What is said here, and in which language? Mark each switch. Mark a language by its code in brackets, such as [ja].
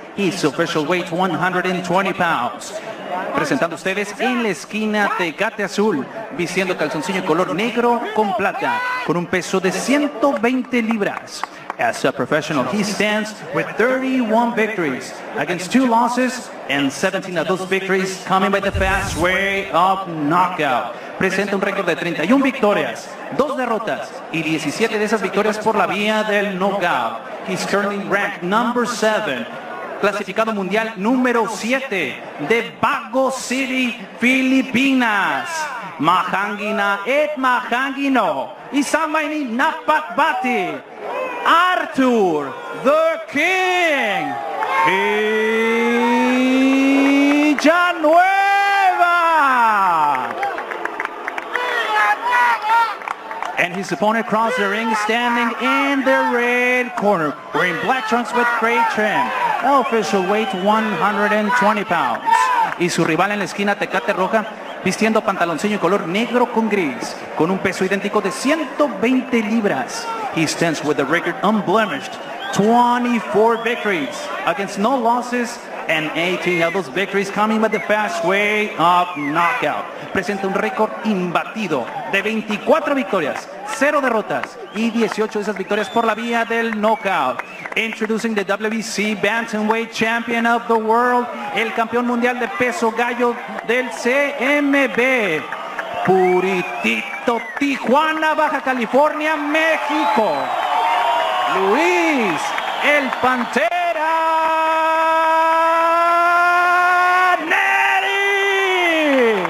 [en] His official weight, 120 pounds. [es] Presentando a ustedes en la esquina de Tecate Azul, vistiendo calzoncillo color negro con plata, con un peso de 120 libras. [en] As a professional, he stands with 31 victories against 2 losses and 17 of those victories coming by the fast way of knockout. [es] Presenta un récord de 31 victorias, 2 derrotas y 17 de esas victorias por la vía del knockout. [en] He's currently ranked number 7, [es] clasificado mundial número 7 de Bago City, Filipinas. Mahangina et Mahangino. Isamaini Napakbati. [en] Arthur the King. Villanueva. And his opponent crossed the ring standing in the red corner, wearing black trunks with gray trim. Official weight 120 pounds. [es] Y su rival en la esquina, Tecate Roja, vistiendo pantaloncillo color negro con gris, con un peso idéntico de 120 libras. [en] He stands with a record unblemished, 24 victories against no losses and 18 of those victories coming by the fast way of knockout. [es] Presenta un récord imbatido de 24 victorias, 0 derrotas y 18 de esas victorias por la vía del knockout. [en] Introducing the WBC Bantamweight Champion of the World, [es] el campeón mundial de peso gallo del CMB, Puritito Tijuana, Baja California, México, Luis El Pantera Neri.